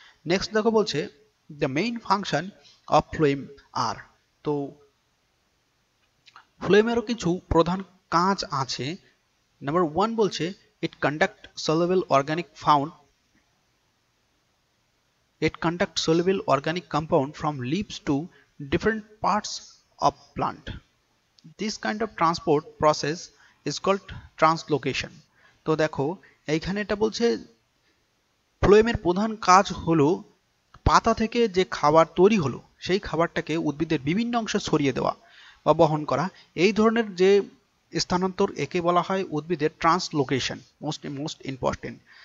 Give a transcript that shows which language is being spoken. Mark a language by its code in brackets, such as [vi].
[bn] Next দেখো বলছে [en] the main function of phloem are, [bn] তো ফ্লোয়েমেরও কিছু প্রধান কাজ আছে। [en] Number one বলছে it conduct soluble organic found, it conduct soluble organic compound from leaves to different parts of plant, this kind of transport process is called translocation. [bn] তো দেখো এইখানে এটা বলছে ফ্লোয়েমের প্রধান কাজ হলো পাতা থেকে যে খাবার তৈরি হলো সেই খাবারটাকে উদ্ভিদের বিভিন্ন অংশে ছড়িয়ে দেওয়া বা বহন করা এই ধরনের যে স্থানান্তর একে বলা হয় উদ্ভিদের ট্রান্সলোকেশন [en] most most important